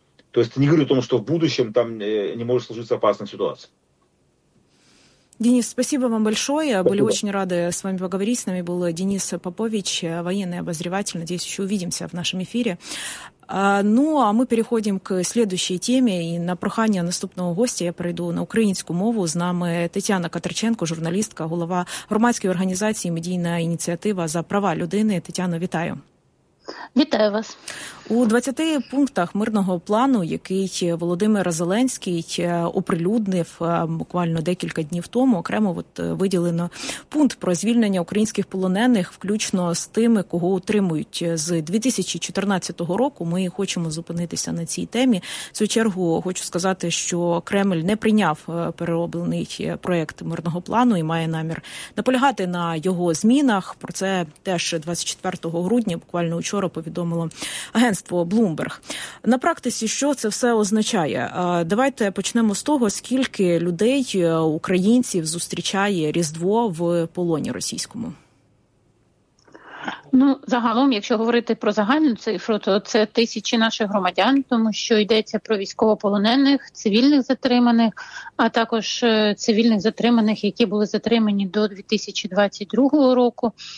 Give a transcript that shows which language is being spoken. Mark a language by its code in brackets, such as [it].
[ru] То есть не говорю о том, что в будущем там не может сложиться опасная ситуация. Денис, спасибо вам большое. Спасибо. Были очень рады с вами поговорить. С нами был Денис Попович, военный обозреватель. Надеюсь, еще увидимся в нашем эфире. Ну, а мы переходимо к следующей темі. [uk] І на прохання наступного гостя я перейду на українську мову. З нами Тетяна Катерченко, журналістка, голова громадської організації «Медійна ініціатива за права людини». Тетяно, вітаю. Вітаю вас. У 20 пунктах мирного плану, який Володимир Зеленський оприлюднив буквально декілька днів тому, окремо от виділено пункт про звільнення українських полонених, включно з тими, кого утримують з 2014 року. Ми хочемо зупинитися на цій темі. В свою чергу хочу сказати, що Кремль не прийняв перероблений проєкт мирного плану і має намір наполягати на його змінах. Про це теж 24 грудня, буквально учора, повідомило агентство Bloomberg. На практиці що це все означає? Давайте почнемо з того, скільки людей, українців, зустрічає Різдво в полоні російському. Ну, загалом, якщо говорити про загальну цифру, то це тисячі наших громадян, тому що йдеться про військовополонених, цивільних затриманих, а також цивільних затриманих, які були затримані до 2022 року.